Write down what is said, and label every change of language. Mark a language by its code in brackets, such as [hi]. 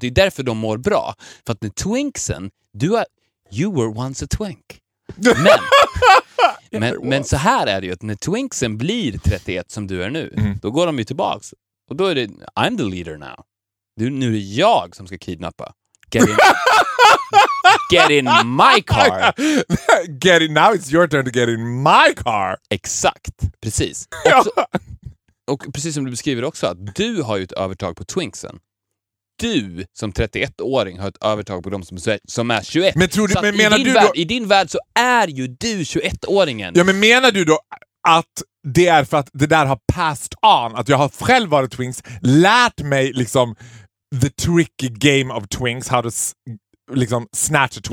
[sv] Det är därför de mår bra. För att med twinksen, du är... [en] You were once a twink. [sv] Men, men så här är det ju. Att när twinksen blir 31 som du är nu, då går de ju tillbaks. Och då är det... [en] I'm the leader now. [sv] Nu är det jag som ska kidnappa. [en] Get in my car. Get in, now it's your turn to get in my car. [sv] Exakt, precis. Och precis som du beskriver också, att du har ju ett övertag på twinksen. Du som 31-åring har ett övertag på dem som är 21. Men tror du, men menar du då, värld, i din värld så är ju du 21-åringen. Ja, men menar du då att det är för att det där har [en] passed on, [sv] att jag har själv varit twinks, lärt mig liksom [en] the tricky game of twinks, how to [sv] liksom [en] snatch a twink.